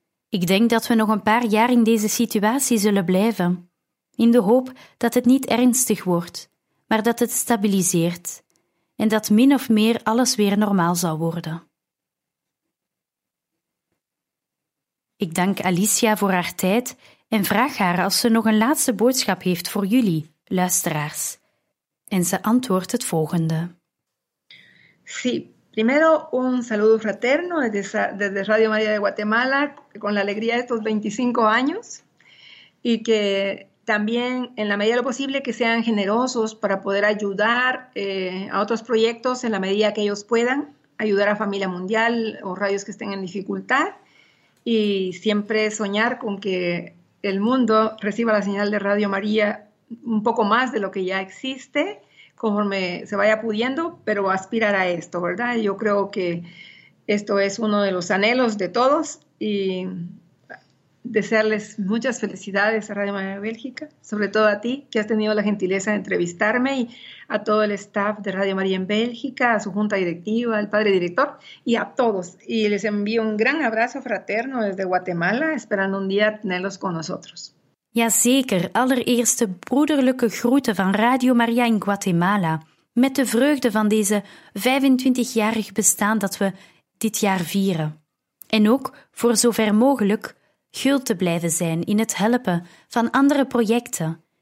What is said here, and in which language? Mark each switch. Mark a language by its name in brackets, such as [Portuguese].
[Dutch] Ik denk dat we nog een paar jaar in deze situatie zullen blijven, in de hoop dat het niet ernstig wordt, maar dat het stabiliseert en dat min of meer alles weer normaal zal worden. Ik dank Alicia voor haar tijd en vraag haar als ze nog een laatste boodschap heeft voor jullie, luisteraars. En ze antwoordt het volgende. [Spanish] Sí, primero un saludo fraterno desde Radio María de Guatemala, con la alegría de estos 25 años, y que también, en la medida de lo posible, que sean generosos para poder ayudar a otros proyectos en la medida que ellos puedan, ayudar a Familia Mundial o radios que estén en dificultad, y siempre soñar con que el mundo reciba la señal de Radio María un poco más de lo que ya existe, conforme se vaya pudiendo, pero aspirar a esto, ¿verdad? Yo creo que esto es uno de los anhelos de todos y desearles muchas felicidades a Radio María Bélgica, sobre todo a ti, que has tenido la gentileza de entrevistarme, y a todo el staff de Radio María en Bélgica, a su junta directiva, al padre director y a todos. Y les envío un gran abrazo fraterno desde Guatemala, esperando un día tenerlos con nosotros. [Dutch] Jazeker, allereerst de broederlijke groeten van Radio Maria in Guatemala. Met de vreugde van deze 25-jarig bestaan dat we dit jaar vieren. En ook, voor zover mogelijk, gul te blijven zijn in het helpen van andere projecten.